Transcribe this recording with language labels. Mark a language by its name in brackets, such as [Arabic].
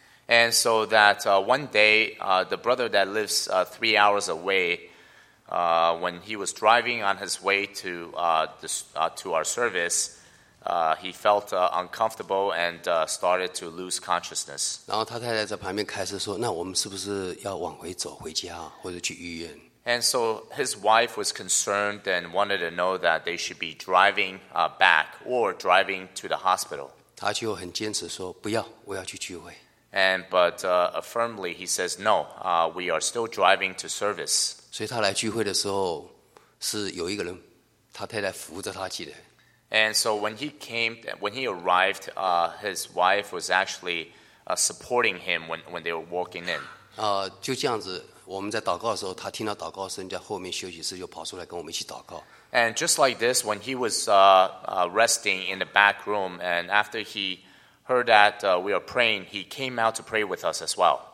[English] And so that one day, the brother that lives 3 hours away, when he was driving on his way to our service, he felt uncomfortable and started to lose consciousness. [Chinese] 然后他太太在旁边开始说，那我们是不是要往回走，回家，或者去医院？ [English] And so his wife was concerned and wanted to know that they should be driving back or driving to the hospital. [Chinese] 他就很坚持说不要，我要去聚会。 [English] And but firmly he says no, we are still driving to service. [Chinese] 所以他来聚会的时候是有一个人，他太太扶着他进来。 [English] And so when he arrived, his wife was actually supporting him when they were walking in. [Chinese] 就这样子。我们在祷告的时候，他听到祷告声，在后面休息室就跑出来跟我们一起祷告。 [English] And just like this, when he was resting in the back room, and after he heard that we are praying, he came out to pray with us as well.